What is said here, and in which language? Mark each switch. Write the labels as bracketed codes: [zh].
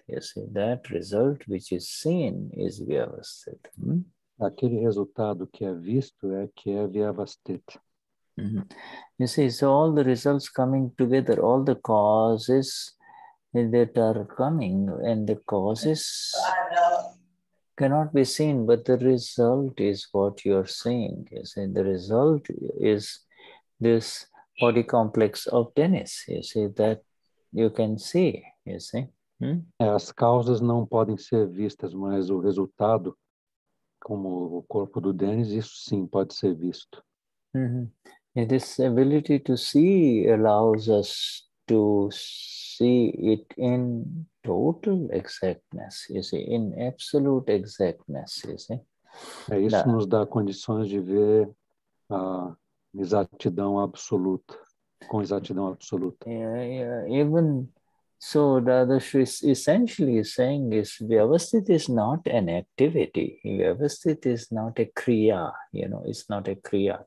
[en] You see, that result which is seen is Vyavasthit. [pt] Aquele resultado que é visto é que é Vyavasthit. [en] You see, so all the results coming together, all the causes that are coming, and the causes cannot be seen, but the result is what you are seeing. You see, the result is this body complex of tennis. You see, that you can see, you see. [pt] As causas não podem ser vistas, mas o resultado, como o corpo do Dennis, isso sim pode ser visto. [en] And this ability to see allows us to see it in total exactness, you see, in absolute exactness, you see. [pt] É, isso now, nos dá condições de ver a exatidão absoluta, com exatidão absoluta. [en] Even so, Dadashri is essentially saying is Vyavasthit is not an activity. Vyavasthit is not a kriya. You know, it's not a kriya.